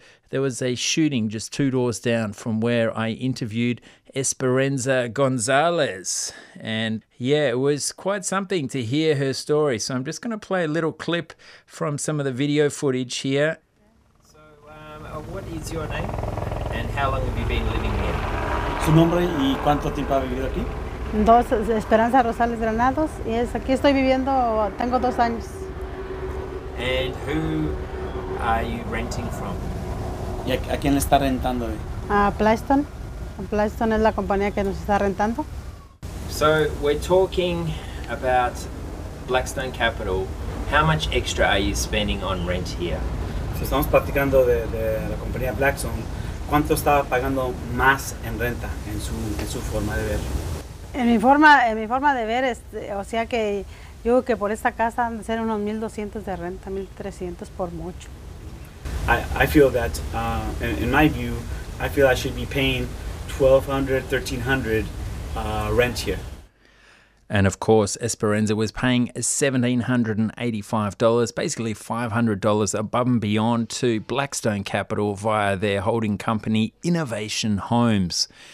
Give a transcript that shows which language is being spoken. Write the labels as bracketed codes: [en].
[en] There was a shooting just 2 doors down from where I interviewed Esperanza Gonzalez. And yeah, it was quite something to hear her story. So I'm just going to play a little clip from some of the video footage here. So what is your name and how long have you been living here? [es] Su nombre y cuánto tiempo ha vivido aquí? Dos, Esperanza Rosales Granados, y es aquí estoy viviendo, tengo 2 años. [en] And who are you renting from? [es] ¿Y a quién le está rentando? A Plaston. Plaston es la compañía que nos está rentando. [en] So we're talking about Blackstone Capital. How much extra are you spending on rent here? [es] So estamos platicando de la compañía Blackstone. ¿Cuánto estaba pagando más en renta en su forma de ver? En mi forma de ver, o sea que yo creo que por esta casa han de ser unos 1,200 de renta, 1,300 por mucho. [en] I feel that, in my view, I feel I should be paying 1,200, 1,300 rent here. And of course, Esperanza was paying $1,785, basically $500 above and beyond to Blackstone Capital via their holding company, Innovation Homes.